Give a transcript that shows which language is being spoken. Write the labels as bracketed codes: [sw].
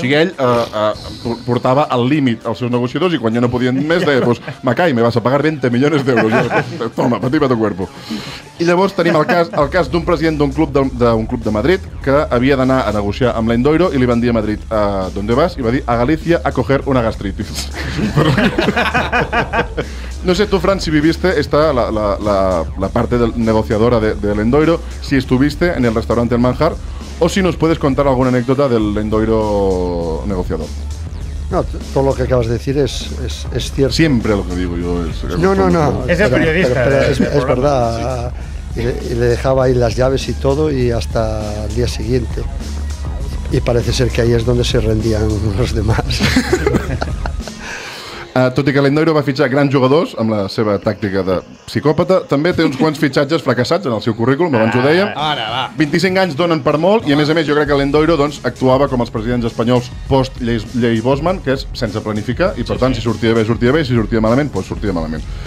[ca] O sigui, ell portava al límit els seus negociadors i quan ja no podien més deia, [es] pues, Macai, me vas a pagar [ca] 20 milions d'euros. [es] Toma, patim a tu cuerpo. [ca] I llavors tenim el cas d'un president d'un club de Madrid que havia d'anar a negociar amb l'Endoiro i li van dir a Madrid, [es] ¿dónde vas? [ca] I va dir, a Galícia, [es] a coger una gastritis. No sé tú, Fran, si viviste esta la parte de negociadora del Endoiro, si estuviste en el restaurante El Manjar, o si nos puedes contar alguna anécdota del Endoiro negociador. No, todo lo que acabas de decir es cierto. Siempre lo que digo yo es... No. Es el periodista. Es verdad. Sí. Y le dejaba ahí las llaves y todo y hasta el día siguiente. Y parece ser que ahí es donde se rendían los demás. [ca] Tot i que l'Endoiro va fitxar grans jugadors amb la seva tàctica de psicòpata, també té uns quants fitxatges fracassats en el seu currículum, abans ho dèiem. 25 anys donen per molt, i a més a més jo crec que l'Endoiro doncs, actuava com els presidents espanyols post-llei Bosman, que és sense planificar, i per tant, si sortia bé, sortia bé, si sortia malament, doncs sortia malament.